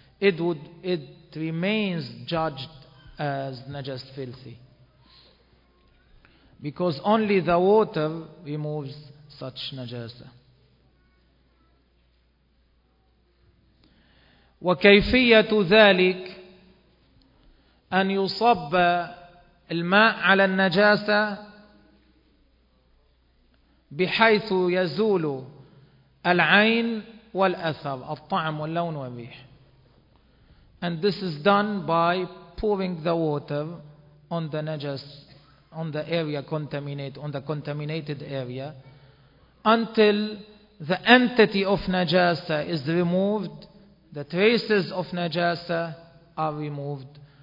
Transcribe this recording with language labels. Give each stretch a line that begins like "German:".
English: It remains judged as najas filthy, because only the water removes such najasa.
Arabic: وكيفية ذلك أن يصب الماء على النجاسة بحيث يزول العين والأثر, الطعم واللون والريح.
English: And this is done by pouring the water on the najas, on the area contaminated, on the contaminated area, until the entity of najasa is removed, the traces of najasa are removed.